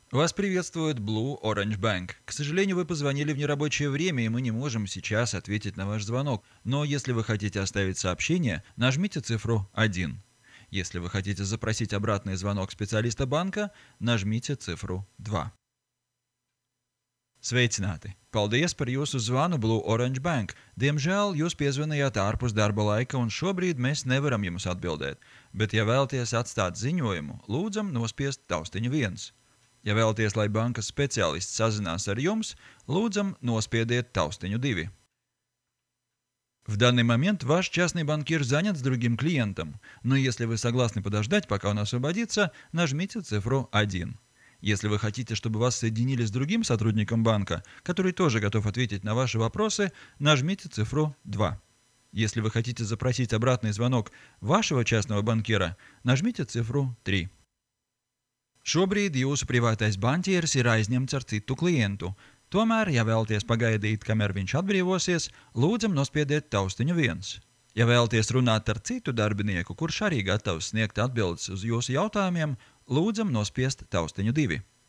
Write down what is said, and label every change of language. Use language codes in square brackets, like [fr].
[ru] Вас приветствует Blue Orange Bank. К сожалению, вы позвонили в нерабочее время, и мы не можем сейчас ответить на ваш звонок. Но если вы хотите оставить сообщение, нажмите цифру 1. Если вы хотите запросить обратный звонок специалиста банка, нажмите цифру 2. [lv] Sveicināti! Paldies par jūsu zvanu Blue Orange Bank. Diemžēl jūs piezvanījāt ārpus darba laika un šobrīd mēs nevaram jums atbildēt. Bet ja vēlaties atstāt ziņojumu, lūdzam nospiest taustiņu 1. Ja vēlaties, lai bankas speciālists sazinās ar jums, lūdzam nospiediet taustiņu 2. [ru] В данный момент ваш частный банкир занят с другим клиентом, но если вы согласны подождать, пока он освободится, нажмите цифру 1. Если вы хотите, чтобы вас соединили с другим сотрудником банка, который тоже готов ответить на ваши вопросы, нажмите цифру 2. Если вы хотите запросить обратный звонок вашего частного банкира, нажмите цифру 3. [lv] Šobrīd jūsu privātais bankieris ir aizņemts ar citu klientu. Tomēr, ja vēlaties pagaidīt, kamēr viņš atbrīvosies, lūdzam nospiediet taustiņu 1. Ja vēlaties runāt ar citu darbinieku, kurš arī gatavs sniegt atbildes uz jūsu jautājumiem, lūdzam nospiest taustiņu 2.